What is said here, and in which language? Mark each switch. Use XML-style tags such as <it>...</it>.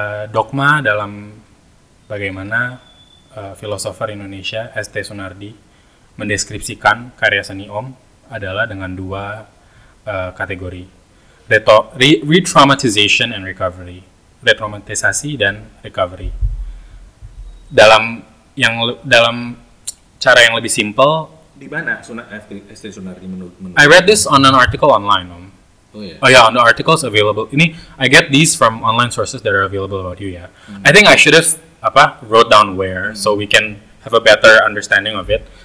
<id>Dogma dalam bagaimana filosofer Indonesia ST Sunardi mendeskripsikan karya seni Om adalah dengan dua kategori.</id> <en>Re-traumatization and recovery.</en> <id>Retraumatisasi dan recovery. Dalam cara yang lebih simple. Di mana ST Sunardi menurut?</id> <en>I read this on an article online, Om. Oh yeah. Oh yeah, on the articles available. Ini, I get these from online sources that are available about you, yeah. Mm-hmm. I think I should have wrote down where, so we can have a better understanding of it.</en>